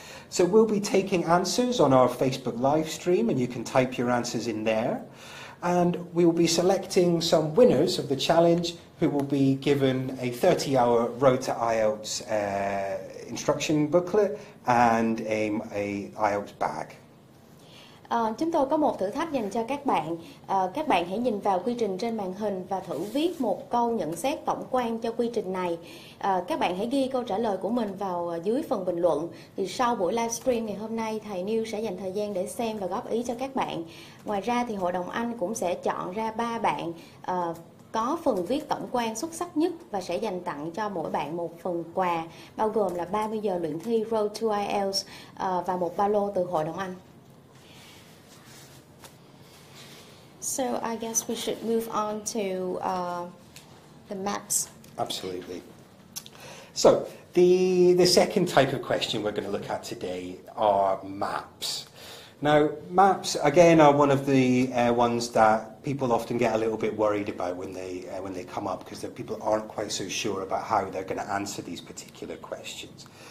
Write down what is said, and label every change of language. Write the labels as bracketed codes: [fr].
[en] So we'll be taking answers on our Facebook live stream, and you can type your answers in there. And we will be selecting some winners of the challenge who will be given a 30-hour Road to IELTS instruction booklet and a IELTS bag. [vi] Chúng tôi có một thử thách dành cho các bạn. Các bạn hãy nhìn vào quy trình trên màn hình và thử viết một câu nhận xét tổng quan cho quy trình này. Các bạn hãy ghi câu trả lời của mình vào dưới phần bình luận. Thì sau buổi livestream ngày hôm nay, thầy Neil sẽ dành thời gian để xem và góp ý cho các bạn. Ngoài ra thì hội đồng Anh cũng sẽ chọn ra 3 bạn có phần viết tổng quan xuất sắc nhất và sẽ dành tặng cho mỗi bạn một phần quà, bao gồm là 30 giờ luyện thi Road to IELTS và một ba lô từ hội đồng Anh. [en] So I guess we should move on to the maps. Absolutely. So the second type of question we're going to look at today are maps. Now, maps, again, are one of the ones that people often get a little bit worried about when they come up, because people aren't quite so sure about how they're going to answer these particular questions.